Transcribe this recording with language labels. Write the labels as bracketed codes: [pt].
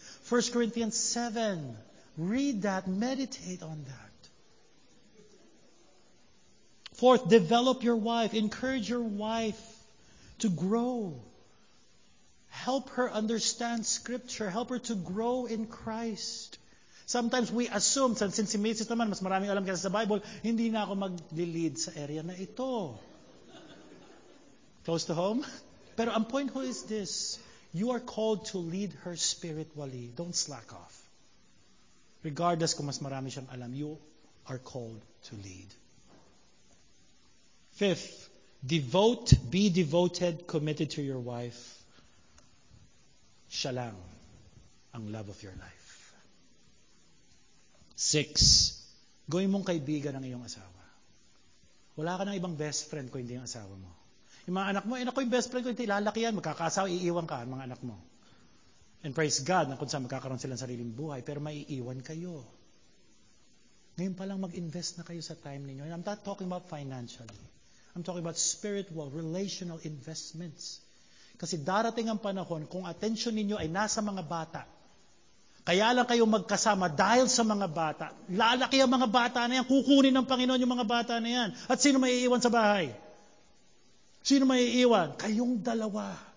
[en] 1 Corinthians 7. Read that, meditate on that. Fourth, develop your wife, encourage your wife to grow. Help her understand Scripture. Help her to grow in Christ. Sometimes we assume, since si Mrs. [tl] naman, mas maraming alam kasi sa Bible, hindi na ako mag-lead sa area na ito. [en] Close to home? [tl] Pero ang [en] point ho is this, you are called to lead her spiritually. Don't slack off. Regardless [tl] kung mas marami siyang alam, [en] you are called to lead. Fifth, be devoted, committed to your wife. [tl] Siya lang ang [en] love of your life. [tl] Six, gawin mong kaibigan ang iyong asawa. Wala ka ng ibang best friend kung hindi ang asawa mo. Yung mga anak mo, eh, ako yung best friend ko, hindi lalaki yan, magkakasawa, iiwan ka ang mga anak mo. [en] And praise God, [tl] na kung saan magkakaroon silang sariling buhay, pero maiiwan kayo. Ngayon pa lang mag-invest na kayo sa time ninyo. [en] And I'm not talking about financially. I'm talking about spiritual, relational investments. [tl] Kasi darating ang panahon kung attention ninyo ay nasa mga bata. Kaya lang kayo magkasama dahil sa mga bata. Lalaki ang mga bata na yan. Kukunin ng Panginoon yung mga bata na yan. At sino may iiwan sa bahay? Sino may iiwan? Kayong dalawa.